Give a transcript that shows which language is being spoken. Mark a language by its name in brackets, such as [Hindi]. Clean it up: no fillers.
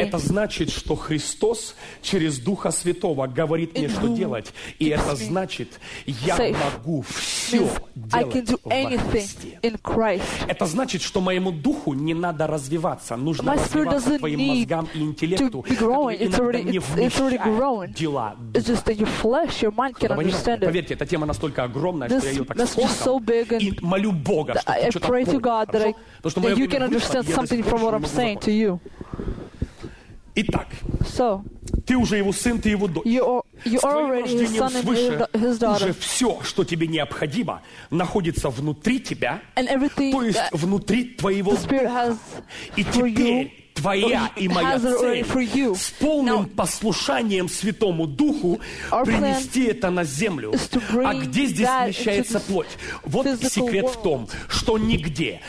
[Russian] Это значит, что Христос через Духа Святого говорит мне, что делать. И это значит, я могу все делать. [English] I can do anything in Christ. [Russian] Это значит, что моему духу не надо развиваться. Нужно развиваться твоим мозгам и интеллекту, которые иногда не вмещают дела. [English] It's just that your flesh, your mind can't understand it. [Russian] Поверьте, эта тема настолько огромная, что я ее так скомкал. [English] So big and [Russian] молю Бога, [English] I pray to God [Russian] хорошо? [English] That, I, that you can understand something from what I'm saying to you. [Russian] Итак, [English] so, [Russian] ты уже его сын, ты его дочь. [English] You are already his son and his daughter. [Russian] Уже все, что тебе необходимо, находится внутри тебя, [English] and everything [Russian] то есть внутри твоего духа. И теперь [English] you, [Russian] твоя и моя цель с полным послушанием Святому Духу принести это на землю. А где здесь вмещается плоть? Вот секрет в том, что нигде.